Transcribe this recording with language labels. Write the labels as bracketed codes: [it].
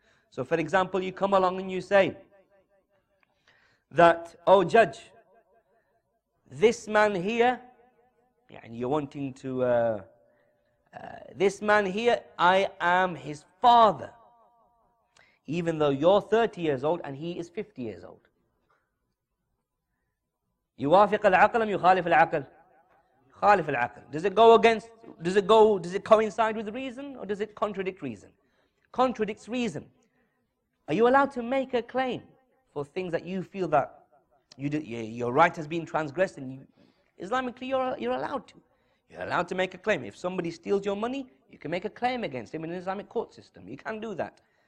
[en] So for example, you come along and you say that, oh judge, this man here, yeah, and you're wanting to, this man here, I am his father, even though you're 30 years old and he is 50 years old. [ar] يوافق العقل أم يخالف العقل؟ خالف العقل. [en] Does it coincide with reason or does it contradict reason? Contradicts reason. Are you allowed to make a claim for things that you feel that your right has been transgressed? And Islamically, you're allowed to. You're allowed to make a claim. If somebody steals your money, you can make a claim against him in an Islamic court system. You can do that.